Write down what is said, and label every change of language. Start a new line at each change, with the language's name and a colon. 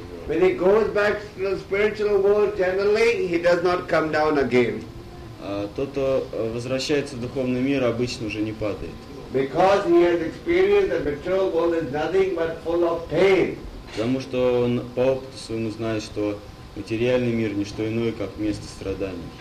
English: When he goes back to the spiritual world generally, he does not come down again.
Russian: Тот, кто возвращается в духовный мир, обычно уже не падает.
English: Because he has experienced the material world is nothing but full of pain.
Russian: Потому что он по опыту своему знает, что материальный мир не что иное, как место страданий.